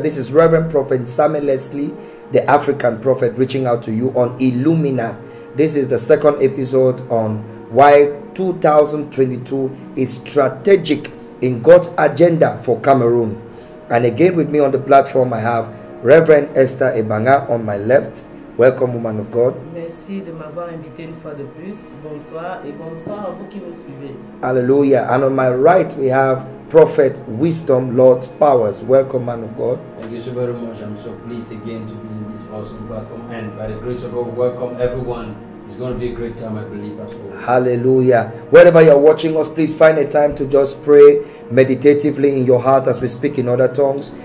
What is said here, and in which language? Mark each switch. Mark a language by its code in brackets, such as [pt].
[en] This is Reverend Prophet Nsame Leslie, the African prophet, reaching out to you on Illumina. This is the second episode on why 2022 is strategic in God's agenda for Cameroon. And again with me on the platform, I have Reverend Esther Ebanga on my left. Welcome, woman of God. [fr] Merci de m'avoir invité une fois de plus. Bonsoir et bonsoir à vous qui me suivez. [en] Hallelujah. And on my right, we have Prophet Wisdom Lord Powers. Welcome, man of God. Thank you so very much. I'm so pleased again to be in this awesome platform. And by the grace of God, welcome everyone. It's going to be a great time, I believe, as well. Hallelujah. Wherever you're watching us, please find a time to just pray meditatively in your heart as we speak in other tongues.